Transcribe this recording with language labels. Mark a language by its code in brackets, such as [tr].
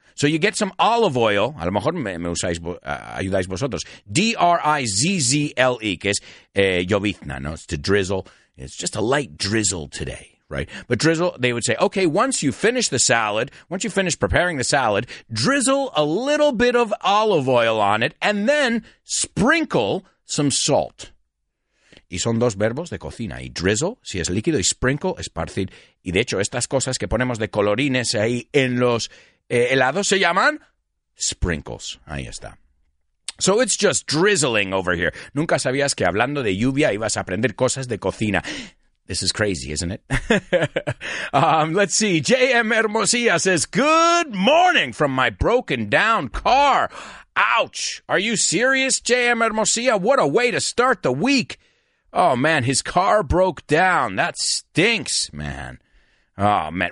[en] So you get some olive oil, [es] a lo mejor me usáis, ayudáis vosotros, D-R-I-Z-Z-L-E, que es llovizna, no, [en] it's to drizzle. It's just a light drizzle today, right? But drizzle, they would say, okay, once you finish the salad, once you finish preparing the salad, drizzle a little bit of olive oil on it, and then sprinkle some salt. [es] Y son dos verbos de cocina. Y drizzle, si es líquido, y sprinkle, esparcir. Y de hecho, estas cosas que ponemos de colorines ahí en los helados se llaman sprinkles. Ahí está. [en] So it's just drizzling over here. [es] Nunca sabías que hablando de lluvia ibas a aprender cosas de cocina. [en] This is crazy, isn't it? let's see. J.M. Hermosilla says, good morning from my broken down car. Ouch. Are you serious, J.M. Hermosilla? What a way to start the week. Oh, man, his car broke down. That stinks, man. Oh, man.